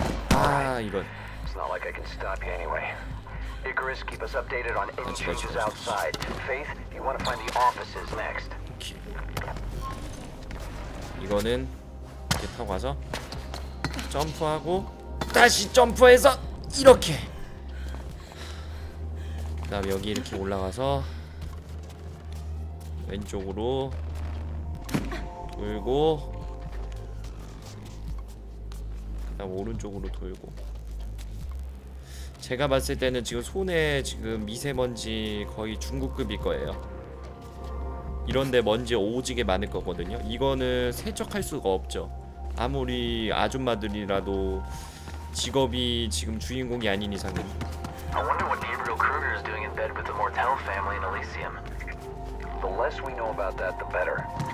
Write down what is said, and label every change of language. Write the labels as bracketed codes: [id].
[ko] 아 이건 [en] not like I can stop you anyway. Icarus, keep us updated on any changes outside. Faith, you want to find the offices next. [ko] 이거는 이렇게 타고 와서 점프하고 다시 점프해서 이렇게. 그다음 여기 이렇게 올라가서 왼쪽으로 돌고 그다음 오른쪽으로 돌고. 제가 봤을 때는 지금 손에 지금 미세먼지 거의 중국급일 거예요. 이런데 먼지 오지게 많을 거거든요. 이거는 세척할 수가 없죠. 아무리 아줌마들이라도 직업이 지금 주인공이 아닌 이상은. [en] I wonder what Gabriel Kruger is doing in bed with the Mortel family in Elysium. The less we know about that, the better.